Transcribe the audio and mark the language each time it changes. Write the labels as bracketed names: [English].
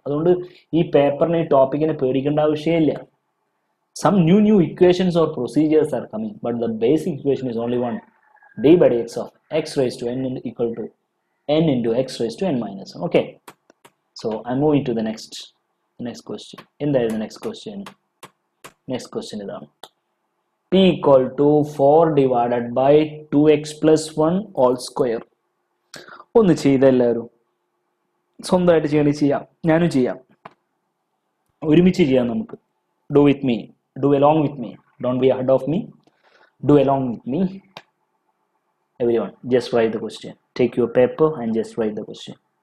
[Malayalam] അതുകൊണ്ട് ഈ പേപ്പറിനെ, ഈ ടോപ്പിക്കിനെ പേടിക്കേണ്ട ആവശ്യമില്ല. [English] Some new equations or procedures are coming but the basic equation is only one, d by x of x raise to n equal to n into x raise to n minus. Okay, so I move into the next next question. [Malayalam] എന്തായിരുന്നു next question? [English] next question [Malayalam] ഇതാണ്, [English] p equal to 4 divided by 2x plus 1 all square. [Malayalam] ഒന്ന് ചെയ്തല്ലാരും സ്വന്തമായിട്ട് ചെയ്യണി ചെയ്യാം, ഞാനും ചെയ്യാം, ഒരുമിച്ച് ചെയ്യാം നമുക്ക്. [English] Do with me, do along with me, don't be ahead of me, do along with me everyone. Just write the question, take your paper and just write the question.